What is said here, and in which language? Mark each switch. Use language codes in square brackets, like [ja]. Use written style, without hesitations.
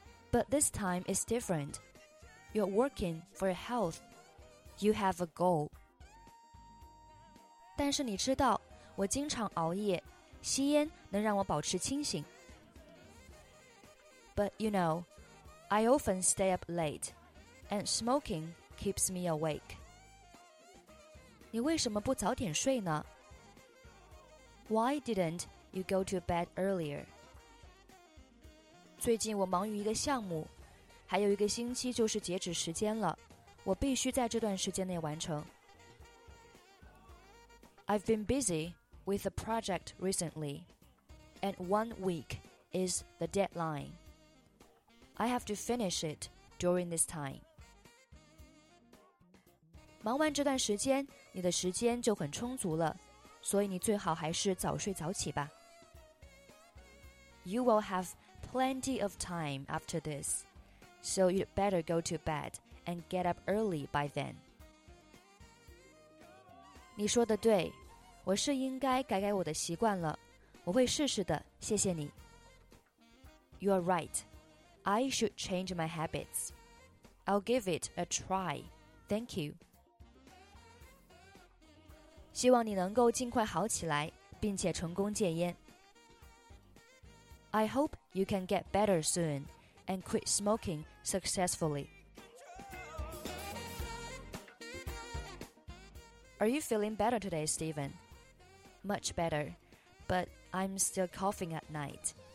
[en] But this time is different. You're working for your health. You have a goal. [zh] 但是你知道，我经常熬夜。吸烟能让我保持清醒。 [en] But you know, I often stay up late, and smoking keeps me awake. [zh] 你为什么不早点睡呢？ [en] Why didn't you go to bed earlier? [zh] 最近我忙于一个项目，还有一个星期就是截止时间了，我必须在这段时间内完成。 [en] I've been busy. With a project recently, and 1 week is the deadline. I have to finish it during this time. [zh] 忙完这段时间，你的时间就很充足了，所以你最好还是早睡早起吧。 [en] You will have plenty of time after this, so you'd better go to bed and get up early by then. [zh] 你说的对。我是应该改改我的习惯了，我会试试的，谢谢你。 [en] You are right. I should change my habits. I'll give it a try. Thank you. [zh] 希望你能够尽快好起来，并且成功戒烟。 [en] I hope you can get better soon and quit smoking successfully. Are you feeling better today, Stephen? Much better, but I'm still coughing at night.